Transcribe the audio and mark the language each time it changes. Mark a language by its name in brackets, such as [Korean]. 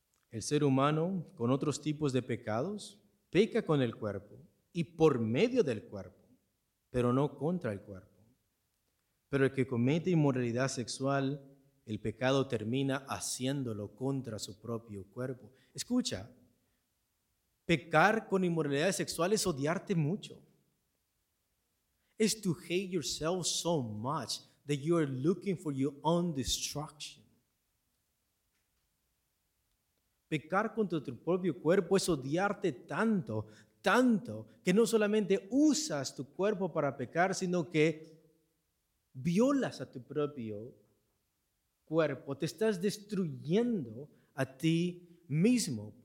[Spanish] El ser humano, con otros tipos de pecados, peca con el cuerpo y por medio del cuerpo, pero no contra el cuerpo. Pero el que comete inmoralidad sexual, el pecado termina haciéndolo contra su propio cuerpo. Escucha, pecar con inmoralidad sexual es odiarte mucho. [English] Es to hate yourself so much that you are looking for your own destruction. [Spanish] Pecar contra tu propio cuerpo es odiarte tanto, tanto, que no solamente usas tu cuerpo para pecar, sino que violas a tu propio cuerpo, te estás destruyendo a ti mismo.